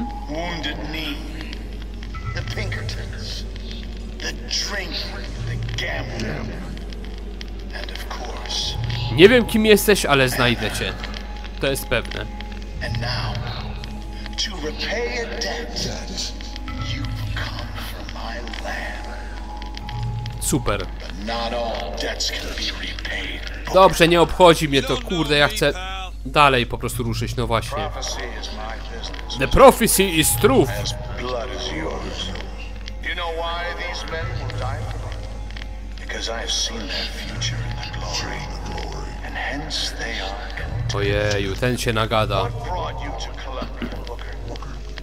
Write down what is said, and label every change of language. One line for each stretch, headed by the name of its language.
English: Wounded knee, the Pinkertons, the drink, the gambler, and of course.
Polish: Nie wiem kim jesteś, ale znajdę cię. To jest pewne.
English: And now, to repay a debt, you've come from my land.
Polish: Super.
English: Not all debts can be repaid.
Polish: Dobrze, nie obchodzi mnie to, kurde, ja chcę dalej po prostu ruszyć, no właśnie.
English: The prophecy is truth. As blood is yours. You know why these men will die for them? Because I have seen their future in the glory. And hence they are content.
Polish: Ojeju, ten się nagada.
English: What brought you to Columbia, Booker?